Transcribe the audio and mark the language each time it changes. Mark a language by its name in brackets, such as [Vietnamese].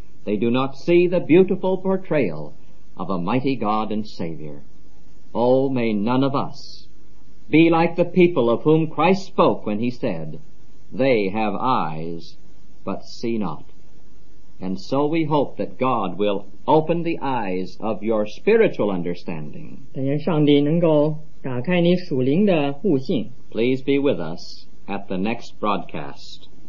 [English] They do not see the beautiful portrayal of a mighty God and Savior. Oh, may none of us be like the people of whom Christ spoke when he said, "They have eyes, but see not." And so we hope that God will open the eyes of your spiritual understanding. [Chinese] 但愿上帝能够打开你属灵的悟性。 [English] Please be with us at the next broadcast.